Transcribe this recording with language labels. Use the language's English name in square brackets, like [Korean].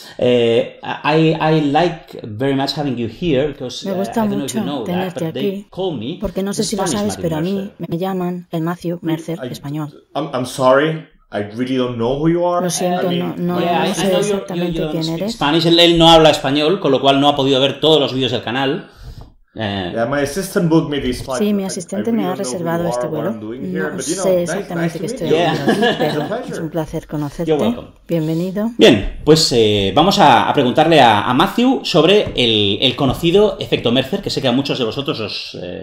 [English] I like very much having you here because [Spanish] me gusta mucho tenerte aquí. [English] Call me, [Spanish] porque no sé si lo sabes, pero a mí me llaman el Matthew Mercer español. [English] I'm sorry. I really don't know who you are. [Spanish] Lo siento, no sé exactamente quién eres. [English] Spanish. [Spanish] Él no habla español, con lo cual no ha podido ver todos los vídeos del canal. [English] My assistant booked me this flight. [Spanish] Sí, mi asistente me ha reservado este vuelo. No sé exactamente qué estoy haciendo aquí, pero es un placer conocerte. Bienvenido. Bien, pues vamos a preguntarle a Matthew sobre el conocido efecto Mercer, que sé que a muchos de vosotros os...